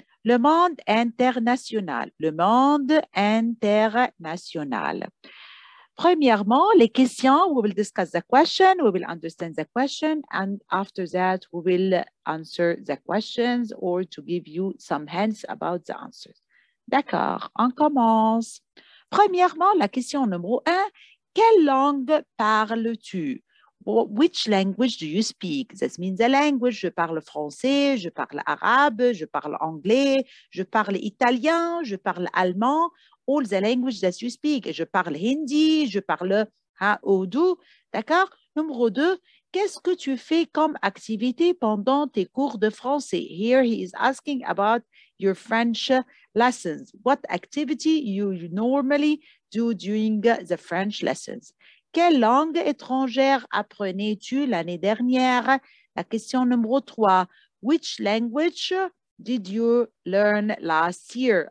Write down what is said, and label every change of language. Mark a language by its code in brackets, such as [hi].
[fr] Le monde international. Le monde international. Premièrement, les questions, [en] we will discuss the question, we will understand the question, and after that, we will answer the questions or to give you some hints about the answers. [fr] D'accord, on commence. Premièrement, la question numéro 1, quelle langue parles-tu? [en] Which language do you speak? That means a language, [fr] je parle français, je parle arabe, je parle anglais, je parle italien, je parle allemand. [en] All the languages that you speak. [fr] Je parle hindi, je parle urdu. D'accord? Numéro 2, qu'est-ce que tu fais comme activité pendant tes cours de français? [en] Here he is asking about your French lessons. What activity you normally do during the French lessons? [fr] Quelle langue étrangère apprenais-tu l'année dernière? La question numéro 3, [en] which language did you learn last year?